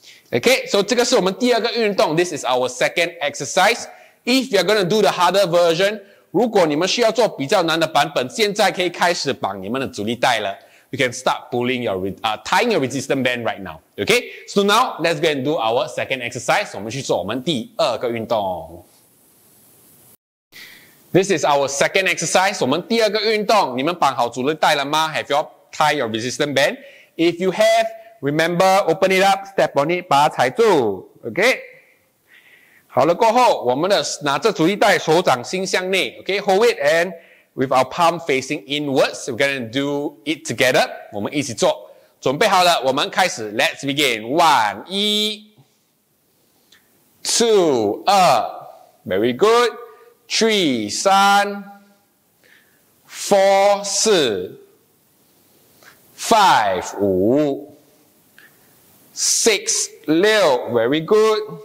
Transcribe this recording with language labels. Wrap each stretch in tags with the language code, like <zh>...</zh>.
<en>Okay, so</en> <zh>这个是我们第二个运动</zh> <en>，this is our second exercise. If you're gonna do the harder version,</en> <zh>如果你们需要做比较难的版本，现在可以开始绑你们的阻力带了。</zh> <en>You can start pulling your, tying your resistance band right now. Okay, so now let's go and do our second exercise.</en> <zh>我们去做我们第二个运动。</zh> <en>This is our second exercise.</en> <zh>我们第二个运动。你们绑好阻力带了吗</zh> <en>？Have you tied your resistance band? If you have, remember open it up, step on it,</en> <zh>把它踩住。</zh> <en>Okay.</en> <zh>好了过后，我们的拿着阻力带，手掌心向内。</zh> <en>Okay, hold it and with our palm facing inwards, we're gonna do it together.</en> <zh>我们一起做。准备好了，我们开始。</zh> <en>Let's begin. One, 一 two, 二 very good. Three, 三 four, 四 five, 五 six, 六 very good.</en>